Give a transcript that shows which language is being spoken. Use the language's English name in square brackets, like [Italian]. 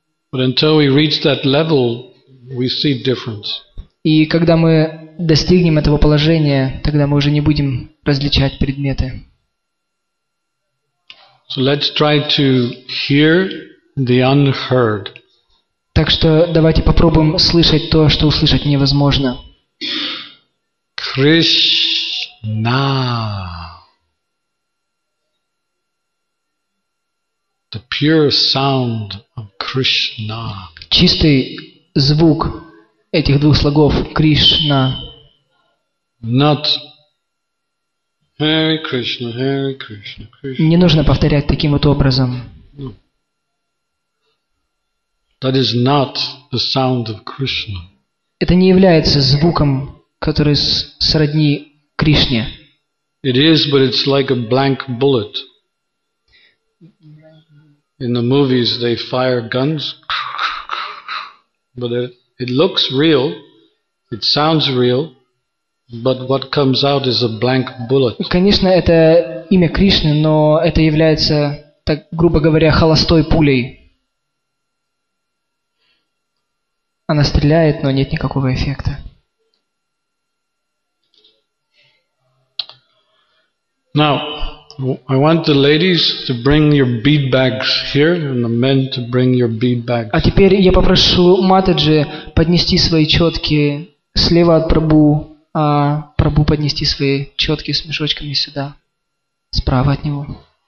[English] But until we reach that level, we see difference. [Russian] И когда мы достигнем этого положения, тогда мы уже не будем различать предметы. [English] So let's try to hear the unheard. [Russian] Так что давайте попробуем слышать то, что услышать невозможно. Кришна. [English] The pure sound of Krishna. [Russian] Чистый звук этих двух слогов Кришна. [English] Not Hare Krishna, Hare Krishna, Krishna. [Russian] Не нужно повторять таким вот образом. [English] That is not the sound of Krishna. [Russian] Это не является звуком, который сродни Кришне. [English] It is, but it's like a blank bullet. In the movies they fire guns, but it looks real, it sounds real, but what comes out is a blank bullet. [Russian] Конечно, это имя Кришны, но это является, так грубо говоря, холостой пулей. Она стреляет, но нет никакого эффекта. [English] Now, I want the ladies to bring your bead bags here, and the men to bring your bead bags. [Russian] А теперь я попрошу Матаджи поднести свои четки слева от Прабу, а Прабу поднести свои четки с мешочками сюда, справа от него.